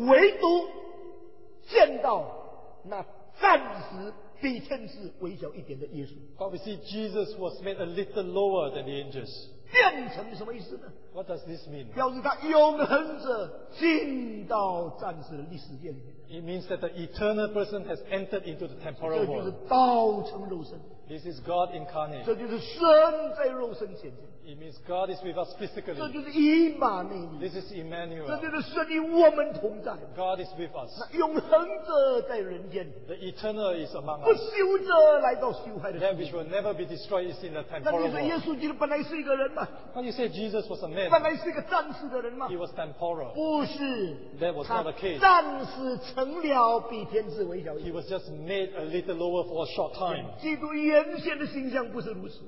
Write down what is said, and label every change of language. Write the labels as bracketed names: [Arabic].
[Chinese] 唯独见到那暂时比天使微小一点的耶稣。 [English] But we see Jesus was made a little lower than the angels. [Chinese] 变成什么意思呢? [English] What does this mean? [Chinese] 表示他永恒者进到暂时的历史界里面。 [English] It means that the eternal person has entered into the temporal world. [Chinese] 这就是道成肉身。 [English] This is God incarnate. [Chinese] 这就是神在肉身显现。 [English] It means God is with us physically. [Chinese] 这就是以马内利。 [English] This is Emmanuel. [Chinese] 这就是神与我们同在。 [English] God is with us. [Chinese] 永恒者在人间。 [English] The eternal is among us. [Chinese] 不朽者来到朽坏的世界。 [English] That which will never be destroyed is in the temporal world. [Chinese] 那你说耶稣基督本来是一个人吗? [English] When you say Jesus was a man, [Chinese] 本来是一个暂时的人吗? [English] He was temporal. [Chinese] 不是。 [English] That was not the case. [Chinese] 暂时成了比天使微小一点。 [English] He was just made a little lower for a short time. [Chinese] 基督原先的形象不是如此。